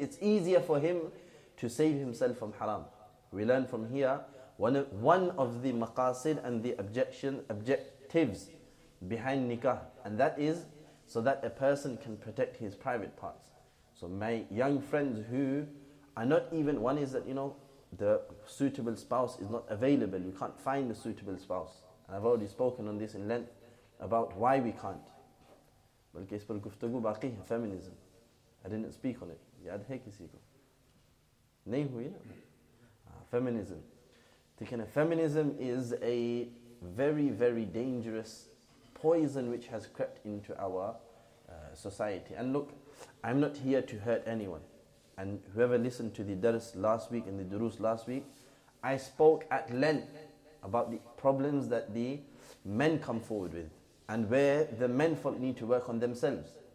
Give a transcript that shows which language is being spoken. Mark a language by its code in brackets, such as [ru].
[en] It's easier for him to save himself from haram. We learn from here, one of the maqasid and the objectives behind nikah, and that is so that a person can protect his private parts. So my young friends who are not even, one is that, you know, the suitable spouse is not available. You can't find the suitable spouse. And I've already spoken on this in length about why we can't. [ur] بلکہ اس پر گفتگو باقی ہے feminism. [en] I didn't speak on it. [ur] یاد ہے کسی کو؟ نہیں ہوئی نا؟ Feminism. [en] Thinking of feminism is a very, very dangerous poison which has crept into our society. And look, I'm not here to hurt anyone. And whoever listened to the Dars last week and the Durus last week, I spoke at length about the problems that the men come forward with and where the men need to work on themselves.